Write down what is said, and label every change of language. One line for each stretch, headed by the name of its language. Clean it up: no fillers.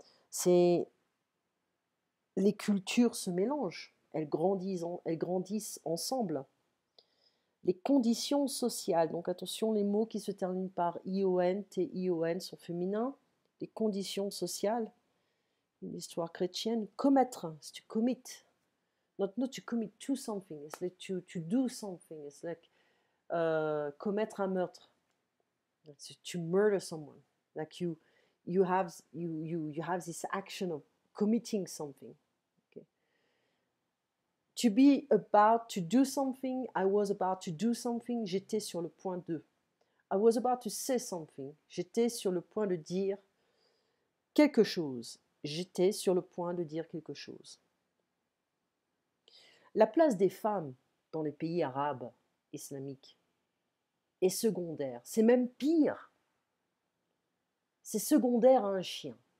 French: C'est les cultures se mélangent, elles grandissent ensemble. Les conditions sociales. Donc attention, les mots qui se terminent par ION, TION sont féminins. Les conditions sociales, une histoire chrétienne, commettre, c'est
English: to commit. Not to commit to something, it's like to do something, it's like
French: commettre un meurtre.
English: It's to murder someone, like you have this action of committing something. Okay. To be about to do something, I was about to do something,
French: j'étais sur le point de.
English: I was about to say something,
French: j'étais sur le point de dire. Quelque chose. J'étais sur le point de dire quelque chose. La place des femmes dans les pays arabes islamiques est secondaire. C'est même pire. C'est secondaire à un chien.